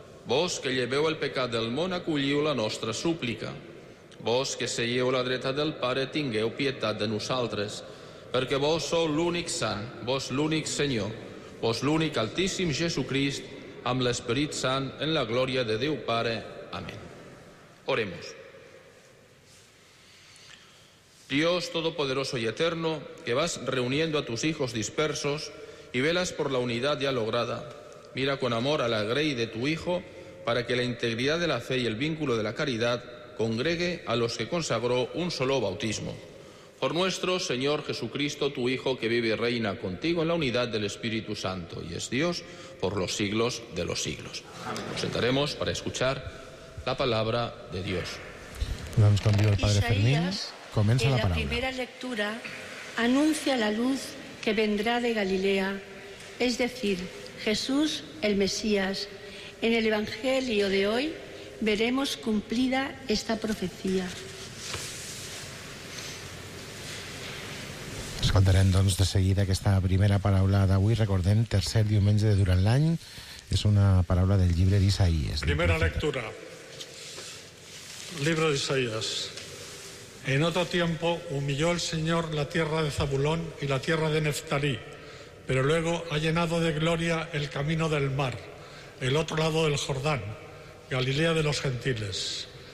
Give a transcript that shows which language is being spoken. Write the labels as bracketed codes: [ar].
[ca] Vos que lleveu el pecat del món, acolliu la nostra súplica. Vos que seieu a la dreta del Pare, tingueu pietat de nosaltres, perquè vos sou l'únic Sant, vos l'únic Senyor, vos l'únic Altíssim Jesucrist, amb l'Esperit Sant, en la glòria de Déu Pare. [es] Amén. Oremos. Dios Todopoderoso y Eterno, que vas reuniendo a tus hijos dispersos y velas por la unidad ya lograda, mira con amor a la Grey de tu Hijo, para que la integridad de la fe y el vínculo de la caridad congregue a los que consagró un solo bautismo. Por nuestro Señor Jesucristo, tu Hijo, que vive y reina contigo en la unidad del Espíritu Santo y es Dios por los siglos de los siglos. Nos sentaremos para escuchar la palabra de Dios. Vamos con Dios, Padre Fermín. Comienza la palabra. La primera lectura anuncia la luz que vendrá de Galilea, es decir, Jesús el Mesías. En el Evangelio de hoy veremos cumplida esta profecía. [ca] Escoltarem doncs de seguida aquesta primera paraula d'avui. Recordem, tercer diumenge de durant l'any, és una paraula del llibre d'Isaïes. [es] Primera lectura. Libro de Isaías. En otro tiempo humilló el Señor la tierra de Zabulón y la tierra de Neftalí, pero luego ha llenado de gloria el camino del mar, el otro lado del Jordán, Galilea de los gentiles.